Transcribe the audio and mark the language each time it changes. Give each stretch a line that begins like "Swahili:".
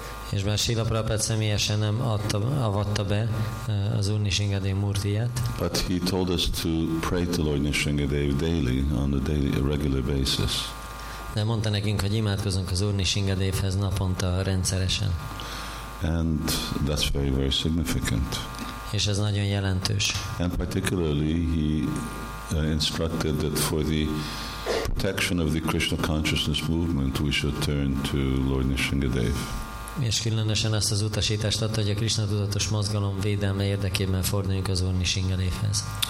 Hungarian: És bár Srila Prabhupada személyesen nem avatta be az Úr Nishingadev murtiját.
English: But he told us to pray to Lord Nishingadev daily, on a daily, a regular basis.
Hungarian: De mondta nekünk, hogy imádkozunk az Úr Nishingadevhez naponta rendszeresen.
English: And that's very, very significant.
Hungarian: És ez nagyon jelentős.
English: And particularly he instructed that for the protection of the Krishna consciousness movement we should turn to Lord Nisringadev.
Hungarian: És különösen azt az utasítást adta, hogy a Krishna tudatos mozgalom védelme érdekében forduljunk az Úr Nisringadevhez.